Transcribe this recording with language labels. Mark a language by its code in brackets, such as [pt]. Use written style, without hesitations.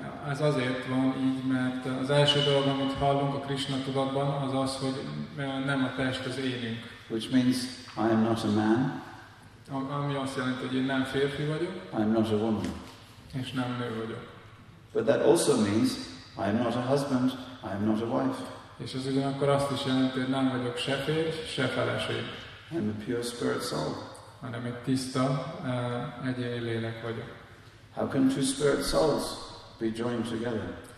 [hu] Ez azért van így, mert az első dolog, amit hallunk a Krishna tudatban, az az, hogy nem a test az élünk. [en] Which means I am not a man. [hu] Ami azt jelenti, hogy én nem férfi vagyok. [en] I am not a woman. [hu] És nem nő vagyok. [en] But that also means I am not a husband, I am not a wife. [hu] És ez ugyanakkor azt is jelenti, hogy nem vagyok se férj, se feleség. [en] I am a pure spirit soul. [hu] hanem egy tiszta, egyéni lélek vagyok. [en] How can two spirit souls be joined together?